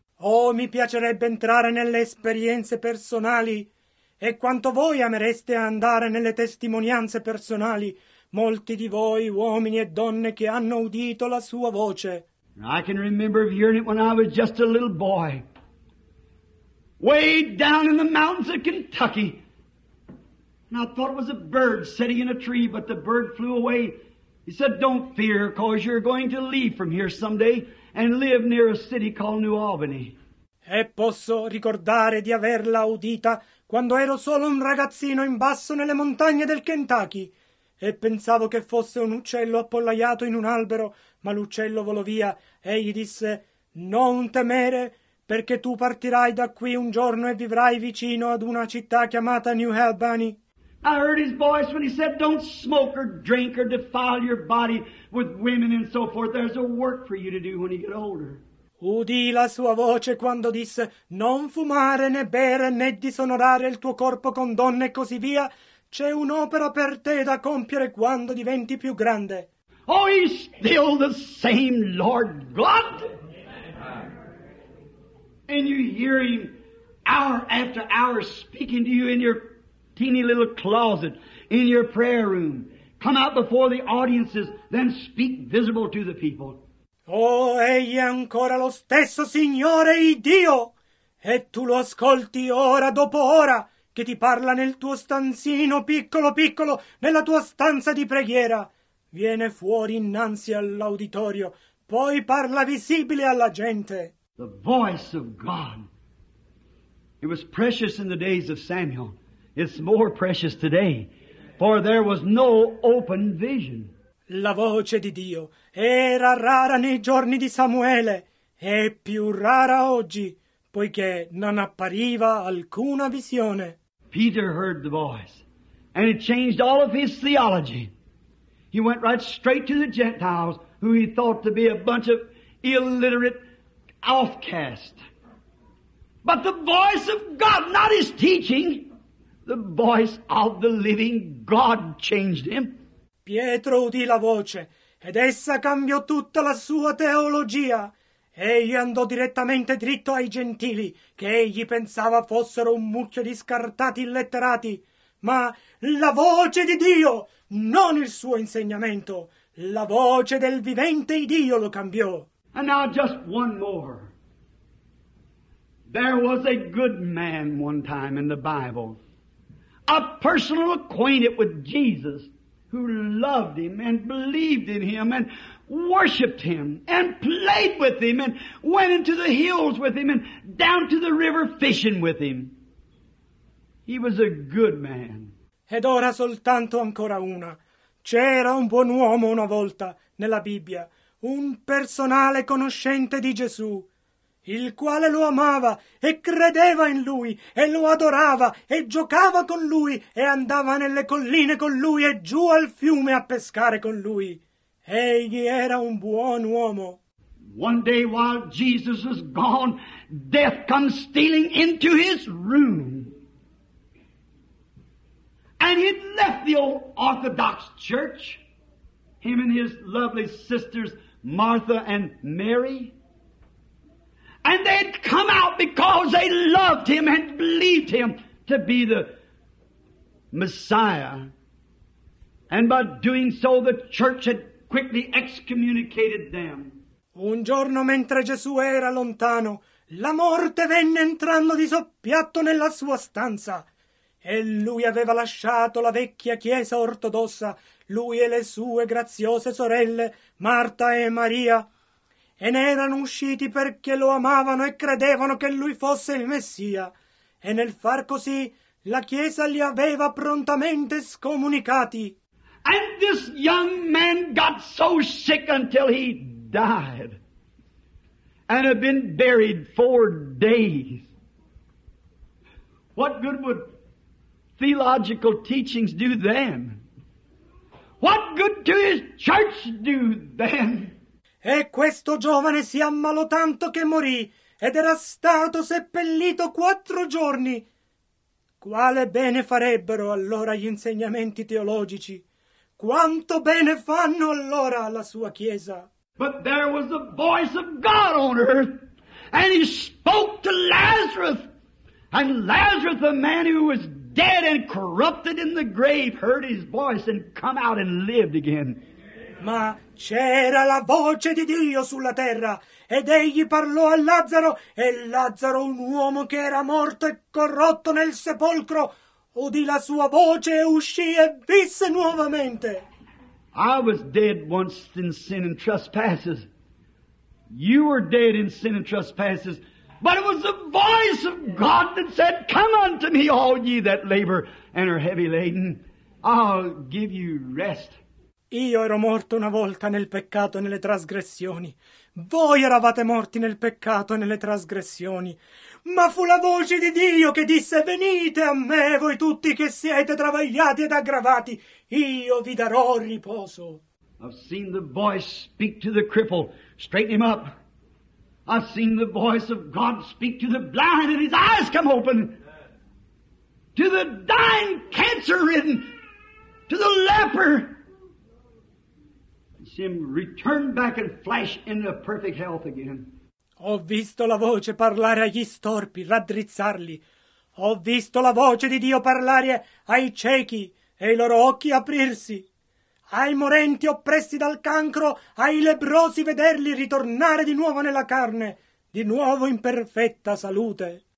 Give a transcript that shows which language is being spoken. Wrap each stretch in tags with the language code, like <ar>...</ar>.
<it>Oh, mi piacerebbe entrare nelle esperienze personali. E quanto voi amereste andare nelle testimonianze personali, molti di voi, uomini e donne, che hanno udito la sua voce.</it> <en>I can remember hearing it when I was just a little boy, way down in the mountains of Kentucky. And I thought it was a bird sitting in a tree, but the bird flew away. He said, don't fear, cause you're going to leave from here someday and live near a city called New Albany.</en> <it>E posso ricordare di averla udita quando ero solo un ragazzino in basso nelle montagne del Kentucky e pensavo che fosse un uccello appollaiato in un albero, ma l'uccello volò via e gli disse, non temere, perché tu partirai da qui un giorno e vivrai vicino ad una città chiamata New Albany.</it> <en>I heard his voice when he said, don't smoke or drink or defile your body with women and so forth. There's a work for you to do when you get older.</en> <it>Udì la sua voce quando disse, non fumare, né bere, né disonorare il tuo corpo con donne e così via. C'è un'opera per te da compiere quando diventi più grande.</it> <en>Oh, he's still the same Lord God. And you hear him hour after hour speaking to you in your teeny little closet, in your prayer room. Come out before the audiences, then speak visible to the people.</en> <it>Oh, egli è ancora lo stesso Signore e Dio, e tu lo ascolti ora dopo ora, che ti parla nel tuo stanzino piccolo piccolo, nella tua stanza di preghiera. Viene fuori innanzi all'auditorio, poi parla visibile alla gente.</it> <en>The voice of God. It was precious in the days of Samuel. It's more precious today, for there was no open vision.</en> <it>La voce di Dio era rara nei giorni di Samuele, è più rara oggi, poiché non appariva alcuna visione.</it> <en>Peter heard the voice, and it changed all of his theology. He went right straight to the Gentiles, who he thought to be a bunch of illiterate outcasts. But the voice of God, not his teaching, the voice of the living God changed him.</en> <it>Pietro udì la voce, ed essa cambiò tutta la sua teologia. Egli andò direttamente dritto ai gentili, che egli pensava fossero un mucchio di scartati illetterati. Ma la voce di Dio, non il suo insegnamento, la voce del vivente Dio lo cambiò.</it> <en>And now just one more. There was a good man one time in the Bible, a personal acquainted with Jesus, who loved him and believed in him and worshipped him and played with him and went into the hills with him and down to the river fishing with him. He was a good man.</en> <it>Ed ora soltanto ancora una. C'era un buon uomo una volta nella Bibbia, un personale conoscente di Gesù, il quale lo amava e credeva in lui e lo adorava e giocava con lui e andava nelle colline con lui e giù al fiume a pescare con lui. Egli era un buon uomo.</it> <en>One day while Jesus was gone, death comes stealing into his room. And he'd left the old Orthodox church, him and his lovely sisters Martha and Mary. And they'd come out because they loved him and believed him to be the Messiah. And by doing so, the church had quickly excommunicated them.</en> <it>Un giorno mentre Gesù era lontano, la morte venne entrando di soppiatto nella sua stanza. E lui aveva lasciato la vecchia chiesa ortodossa, lui e le sue graziose sorelle, Marta e Maria. E ne erano usciti perché lo amavano e credevano che lui fosse il Messia. E nel far così, la Chiesa li aveva prontamente scomunicati.</it> <en>And this young man got so sick until he died and had been buried 4 days. What good would theological teachings do then? What good do his church do then?</en> <it>E questo giovane si ammalò tanto che morì ed era stato seppellito 4 giorni. Quale bene farebbero allora gli insegnamenti teologici? Quanto bene fanno allora alla sua chiesa?</it> <en>But there was the voice of God on earth, and he spoke to Lazarus, and Lazarus, the man who was dead and corrupted in the grave, heard his voice and come out and lived again.</en> <it>Ma c'era la voce di Dio sulla terra, ed egli parlò a Lazzaro, e Lazzaro, un uomo che era morto e corrotto nel sepolcro, udì la sua voce e uscì e visse nuovamente.</it> <en>I was dead once in sin and trespasses. You were dead in sin and trespasses. But it was the voice of God that said, come unto me, all ye that labor and are heavy laden. I'll give you rest.</en> <it>Io ero morto una volta nel peccato e nelle trasgressioni. Voi eravate morti nel peccato e nelle trasgressioni. Ma fu la voce di Dio che disse, venite a me, voi tutti che siete travagliati ed aggravati. Io vi darò riposo.</it> <en>I've seen the voice speak to the cripple, straighten him up. I've seen the voice of God speak to the blind and his eyes come open. To the dying cancer-ridden, to the leper. Him return back and flash into perfect health again.</en> <it>Ho visto la voce parlare agli storpi, raddrizzarli. Ho visto la voce di Dio parlare ai ciechi e i loro occhi aprirsi. Ai morenti oppressi dal cancro, ai lebbrosi vederli ritornare di nuovo nella carne, di nuovo in perfetta salute.</it>